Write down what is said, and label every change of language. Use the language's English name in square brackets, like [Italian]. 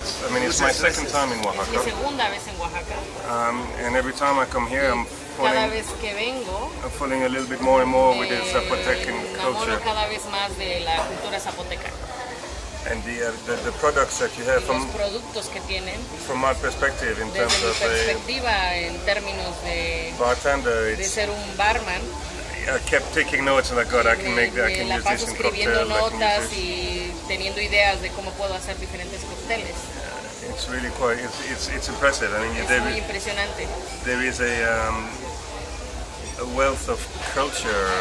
[English] I mean, it's my second time in Oaxaca. [Spanish] Es mi segunda vez en Oaxaca. [English] And every time I come here, I'm falling a little bit more and more with the Zapotecan culture. [Spanish] Me enamoro cada vez más de la cultura zapoteca. [English] And the products that you have from, [Spanish] los productos que tienen, [English] from my perspective in terms of [Spanish] perspectiva, en términos de [English] bartender, [Spanish] de ser un barman, [English] I kept taking notes and I got, I can make that, I can use this in cocktails. [Spanish] Escribiendo notas y teniendo ideas de cómo puedo hacer diferentes cócteles. [English] It's really quite, it's impressive. I mean, there is a wealth of culture.